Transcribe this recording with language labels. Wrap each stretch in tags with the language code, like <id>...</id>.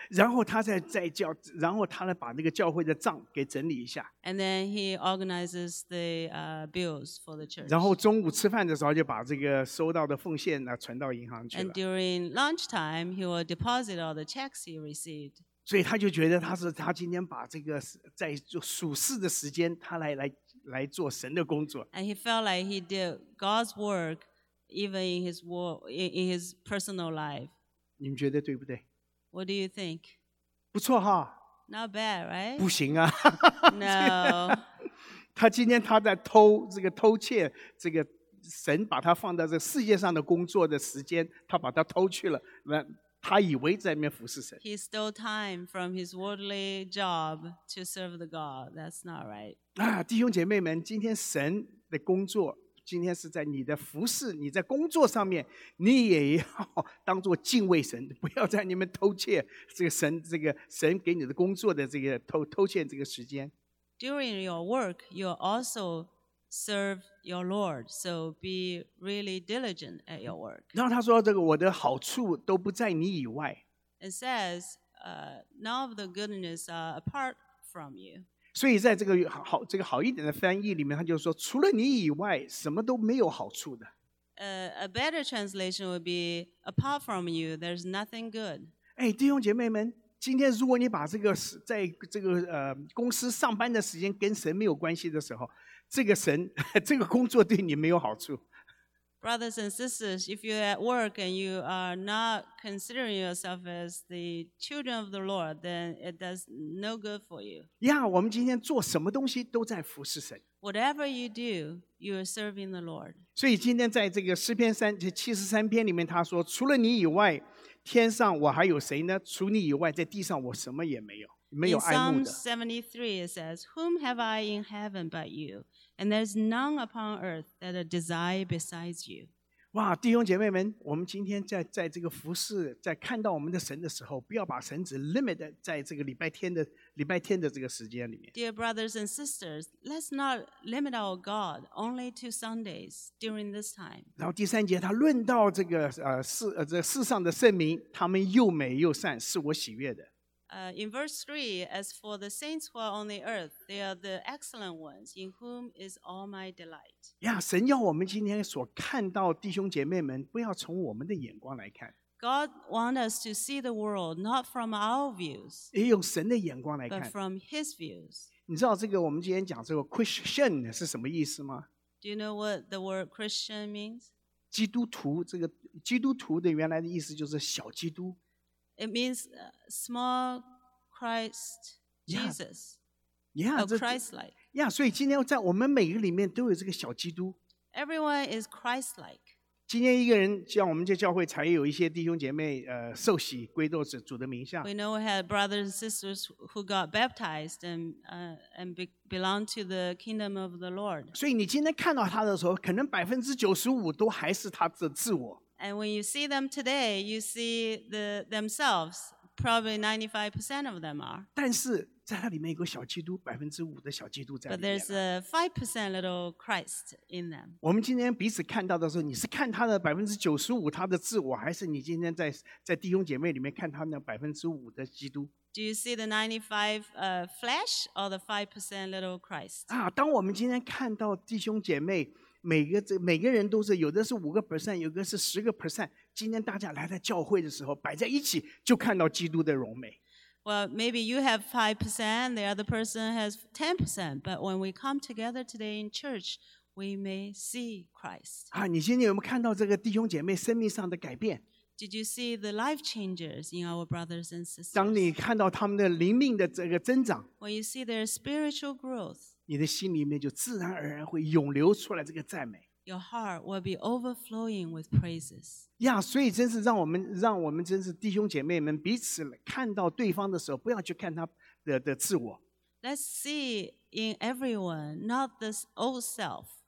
<zh>然后他在教，然后他来把那个教会的账给整理一下。</zh> <en>And then he organizes the bills for the church.</en> <zh>然后中午吃饭的时候就把这个收到的奉献呢存到银行去了。</zh> <en>And during lunchtime, he will deposit all the checks he received.</en> <zh>所以他就觉得他今天把这个在做属事的时间，他来做神的工作。</zh> <en>And he felt like he did God's work even in his work, in his personal life.</en> <zh>你们觉得对不对？</zh> <en>What do you think?</en> <zh>不错哈。</zh> <en>Not bad, right?</en> <zh>不行啊。</zh> <en>No.</en> <zh>他今天他在偷这个偷窃这个神把他放在这世界上的工作的时间，他把他偷去了。那他以为在那边服侍神。</zh> <en>He stole time from his worldly job to serve the God. That's not right.</en> <zh>啊，弟兄姐妹们，今天神的工作，今天是在你的服侍，你在工作上面，你也要当做敬畏神，不要在那边偷窃这个神给你的工作的这个偷窃这个时间。</zh> <en>During your work, you also serve your Lord, so be really diligent at your work.</en> <zh>然后他说这个我的好处都不在你以外。</zh> <en>It says, none of the goodness are apart from you.</en> <zh>所以在这个 好一点的翻译里面，他就说除了你以外什么都没有好处的。</zh> <en>A better translation would be, apart from you, there's nothing good.</en> <zh>哎，弟兄姐妹们，今天如果你把这个在这个公司上班的时间跟神没有关系的时候，这个神这个工作对你没有好处。</zh> <en>Brothers and sisters, if you're at work and you are not considering yourself as the children of the Lord, then it does no good for you.</en> <zh>Yeah, 我们今天做什么东西都在服侍神。</zh> <en>Whatever you do, you are serving the Lord.</en> <zh>所以今天在这个诗篇73篇里面，他说：“除了你以外，天上我还有谁呢？除你以外，在地上我什么也没有，没有爱慕的。”</zh> <en>Psalm 73 it says, "Whom have I in heaven but you?" And there's none upon earth that I desire besides you.</en> <zh>哇，弟兄姐妹们，我们今天在这个服事，在看到我们的神的时候，不要把神只 limit 在这个礼拜天的这个时间里面。</zh> <en>Dear brothers and sisters, let's not limit our God only to Sundays during this time.</en> <zh>然后第三节，他论到这个世上的圣民，他们又美又善，是我喜悦的。</zh> <en>In verse 3, as for the saints who are on the earth, they are the excellent ones in whom is all my delight.</en> <zh>Yeah, 神要我们今天所看到弟兄姐妹们不要从我们的眼光来看。</zh> <en>God wants us to see the world not from our views,</en> <zh>也用神的眼光来看。</zh> <en>But from his views.</en> <zh>你知道这个我们今天讲这个 Christian 是什么意思吗？</zh> <en>Do you know what the word Christian means?</en> <zh>基督徒，这个基督徒的原来的意思就是小基督。</zh> <en>It means small Christ Jesus, yeah, yeah, or Christ-like.</en> <zh>Yeah, 所以今天在我们每个里面都有这个小基督。</zh> <en>Everyone is Christ-like.</en> <zh>今天一个人，像我们这教会才有一些弟兄姐妹，受洗归到主的名下。</zh> <en>We know we had brothers and sisters who got baptized and belong to the kingdom of the Lord.</en> <zh>所以你今天看到他的时候，可能95%都还是他的自我。</zh> <en>And when you see them today, you see themselves, probably 95% of them are.</en> <zh>但是在他里面有个小基督，5%的小基督在里面。</zh> <en>But there's a 5% little Christ in them.</en> <zh>我们今天彼此看到的时候，你是看他的95%他的自我，还是你今天在弟兄姐妹里面看他那5%的基督？</zh> <en>Do you see the 95% flesh or the 5% little Christ?</en> <zh>啊，当我们今天看到弟兄姐妹每个人都是有的是5%，有的是10%。今天大家来到教会的时候，摆在一起就看到基督的荣美。</zh> <en>Well, maybe you have 5%, the other person has 10%. But when we come together today in church, we may see Christ.</en> <zh>啊，你今天有没有看到这个弟兄姐妹生命上的改变？</zh> <en>Did you see the life changers in our brothers and sisters?</en> <zh>当你看到他们的灵命的这个增长</zh> <en>，When you see their spiritual growth.</en> <zh>你的心里面就自然而然会涌流出来这个赞美。</zh> <en>Your heart will be overflowing with praises.</en> <zh>呀，所以真是让我们真是弟兄姐妹们彼此看到对方的时候，不要去看他的自我。</zh> <en>Let's see in everyone, not this old self.</en>